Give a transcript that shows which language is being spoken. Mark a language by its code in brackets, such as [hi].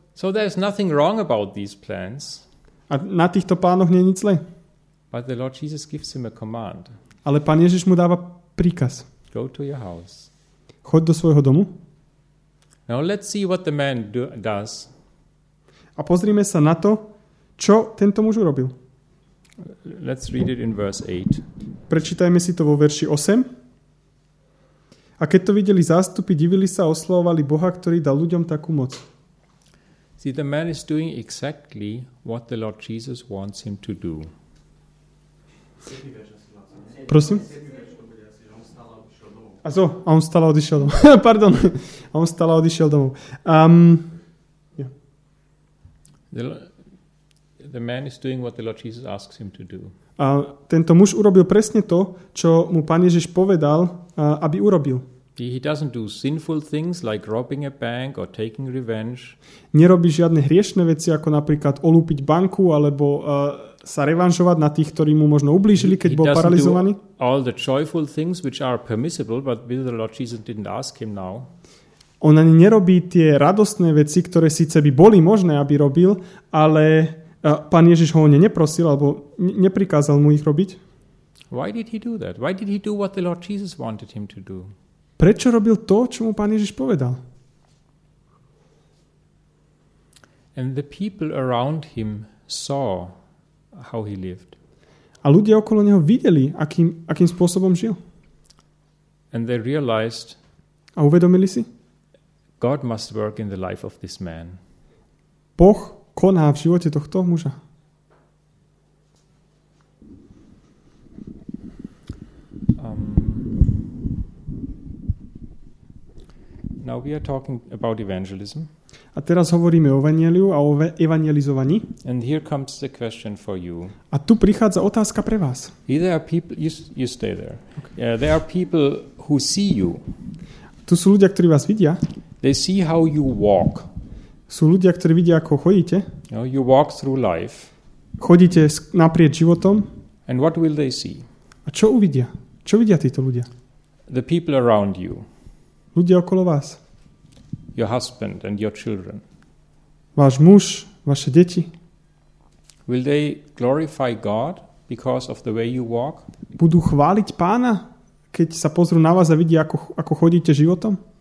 [en] So there's nothing wrong about these plans. [sk] A na týchto plánoch nie je nič zlé. [en] But the Lord Jesus gives him a command. [sk] Ale Pán Ježiš mu dáva príkaz. [en] Go to your house. [sk] Choď do svojho domu. [en] Now let's see what the man does. [sk] A pozrime sa na to, čo tento muž urobil. [en] Let's read it in verse 8. [sk] Prečítajme si to vo verši 8. A keď to videli zástupy, divili sa a oslavovali Boha, ktorý dal ľuďom takú moc. [en] See, the man is doing exactly what the Lord Jesus wants him to do. [sk] Prosím? A on stále odišiel domov. Pardon. A on stále odišiel domov. [en] The man is doing what the Lord Jesus asks him to do. [sk] A tento muž urobil presne to, čo mu Pán Ježiš povedal, aby urobil. [en] He doesn't do sinful things like robbing a bank or taking revenge. [sk] Nerobí žiadne hriešne veci, ako napríklad olúpiť banku alebo sa revanšovať na tých, ktorí mu možno ublížili, keď bol paralizovaný. [en] All the joyful things which are permissible, but the Lord Jesus didn't ask him now. [sk] On ani nerobí tie radostné veci, ktoré síce by boli možné, aby robil, ale Pán Ježiš ho neprosil alebo neprikázal mu ich robiť. [en] Why did he do that? Why did he do what the Lord Jesus wanted him to do? [sk] Prečo robil to, čo mu Pán Ježiš povedal? [en] And the people around him saw how he lived. [sk] A ľudia okolo neho videli, akým spôsobom žil. [en] And they realized. [sk] A uvedomili si? [en] God must work in the life of this man. [sk] Boh koná v živote tohto muža. [en] Now we are talking about evangelism. [sk] A teraz hovoríme o evanjeliu a o evangelizovaní. [en] And here comes the question for you. [sk] A tu prichádza otázka pre vás. [en] There are people you stay there. Okay. Yeah, there are people who see you. [sk] Tu sú ľudia, ktorí vás vidia. [en] They see how you walk. [sk] Sú ľudia, ktorí vidia, ako chodíte. [en] You know, you walk through life. [sk] Chodíte naprieč životom. [en] And what will they see? [sk] A čo uvidia? Čo vidia títo ľudia? [en] The people around you. [sk] Ľudia okolo vás. [en] Your husband and your children. [sk] Váš muž, vaše deti. [en] Will they glorify God because of the way you walk? [sk] Budú chváliť Pána, keď sa pozrú na vás a vidia, ako chodíte životom?